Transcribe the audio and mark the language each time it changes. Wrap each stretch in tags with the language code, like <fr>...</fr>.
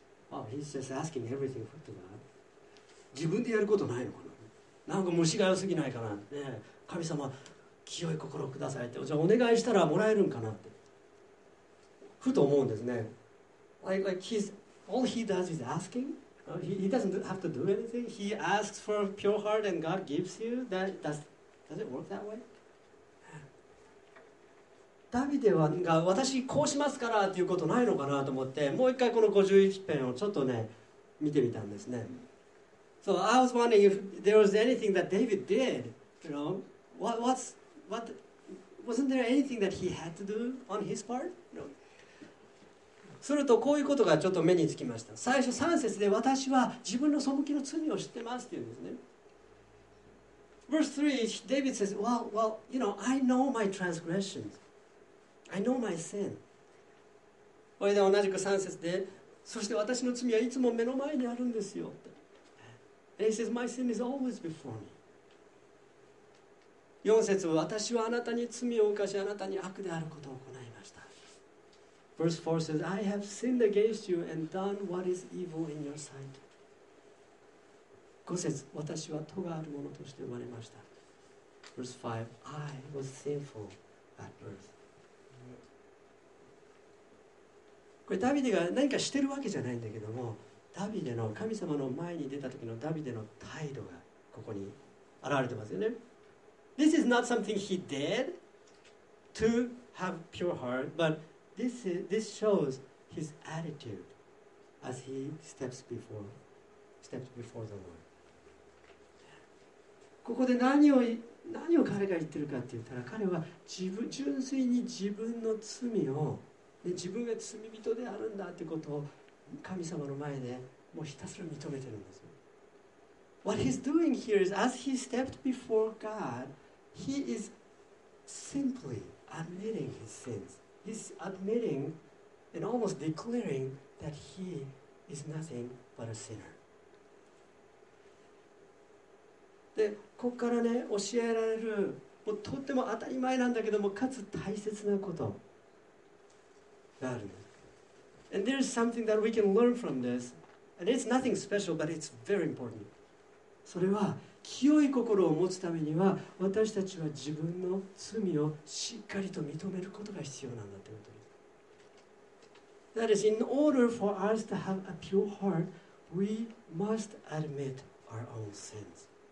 <en>Oh, he's just asking everything for God.</en> <ja>自分でやることないのかな。なんか虫が良すぎないかな、ね、神様、清い心をくださいって。じゃあお願いしたらもらえるんかなってふと思うんですね。</ja> <en>Like he's, all he does is asking? He doesn't have to do anything. He asks for a pure heart and God gives you. Does it work that way?</en> <ja>ダビデが私こうしますからっていうことないのかなと思って、もう一回この51編をちょっとね、見てみたんですね。</ja> <en>So I was wondering if there was anything that David did. You know, what wasn't there anything that he had to do on his part? No.</en> <ja>するとこういうことがちょっと目につきました。最初3節で私は自分の背きの罪を知ってますって言うんですね。</ja> <en>Verse 3, David says, well, you know, I know my transgressions. I know my sin.</en> <ja>これで同じく3節で、そして私の罪はいつも目の前にあるんですよって。</ja> <en>And he says, my sin is always before me.</en> <ja>4節、私はあなたに罪を犯し、あなたに悪であることを行います。</ja> <en>Verse 4 says, I have sinned against you and done what is evil in your sight.</en> <ja>5節、私は咎ある者として生まれました。</ja> <en>Verse 5, I was sinful at birth.</en> <ja>これダビデが何かしてるわけじゃないんだけども、ダビデの神様の前に出た時のダビデの態度がここに現れてますよね。</ja> <en>This is not something he did to have pure heart, butThis shows his attitude as he steps before the Lord.</en> <ja>ここで何を彼が言ってるかって言ったら、彼は自分純粋に自分の罪を、で自分が罪人であるんだってことを神様の前でもうひたすら認めてるんですよ。</ja> <en>What he's doing here is as he stepped before God, he is simply admitting his sins. He's admitting and almost declaring that he is nothing but a sinner.</en> <ja>で、ここからね、教えられる、もうとっても当たり前なんだけども、かつ大切なことがある。</ja> <en>And there is something that we can learn from this, and it's nothing special, but it's very important.</en> <ja>それは、清い心を持つためには私たちは自分の罪をしっかりと認めることが必要なんだということです。</ja> <en>That is, in order for us to have a pure heart, we must admit our own sins.</en>